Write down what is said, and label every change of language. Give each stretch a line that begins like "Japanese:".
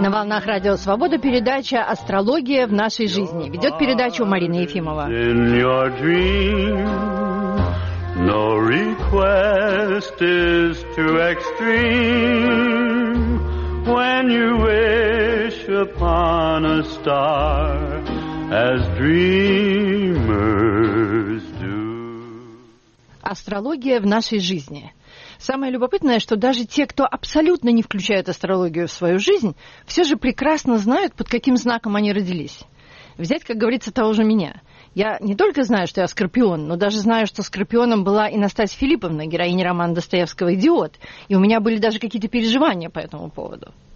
Russian: На волнах Радио Свобода передача «Астрология в нашей жизни». Ведет передачу Марина Ефимова.
English: In your dream, no request is too extreme when you wish upon a star as dreamers do.
Russian: Астрология в нашей жизни. Самое любопытное, что даже те, кто абсолютно не включает астрологию в свою жизнь, все же прекрасно знают, под каким знаком они родились. Взять, как говорится, того же меня. Я не только знаю, что я Скорпион, но даже знаю, что Скорпионом была и Настасья Филипповна, героиня романа Достоевского «Идиот», и у меня были даже какие-то переживания по этому поводу.